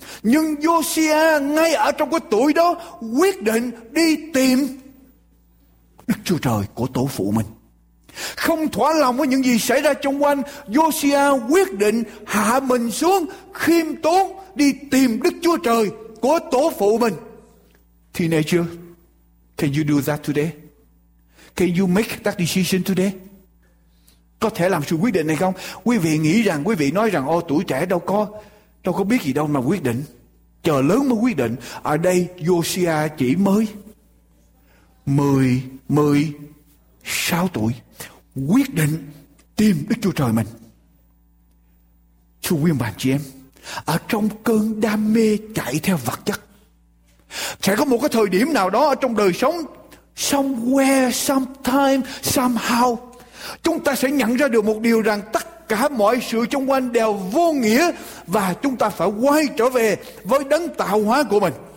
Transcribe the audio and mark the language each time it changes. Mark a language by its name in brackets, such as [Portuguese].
[Vietnamese] Nhưng Josiah ngay ở trong cái tuổi đó quyết định đi tìm Đức Chúa Trời của tổ phụ mình. Không thỏa lòng với những gì xảy ra xung quanh, Josiah quyết định hạ mình xuống, khiêm tốn đi tìm Đức Chúa Trời của tổ phụ mình. [English] Teenager, can you do that today? Can you make that decision today? [Vietnamese] Có thể làm sự quyết định này không? Quý vị nghĩ rằng, quý vị nói rằng, ô tuổi trẻ đâu có biết gì đâu mà quyết định. Chờ lớn mới quyết định. Ở đây Josiah chỉ mới 16 tuổi. Quyết định tìm Đức Chúa Trời mình. Thưa quý bạn chị em, ở trong cơn đam mê chạy theo vật chất, sẽ có một cái thời điểm nào đó ở trong đời sống, [English] somewhere, sometime, somehow, [Vietnamese] chúng ta sẽ nhận ra được một điều rằng tất cả mọi sự xung quanh đều vô nghĩa và chúng ta phải quay trở về với đấng tạo hóa của mình.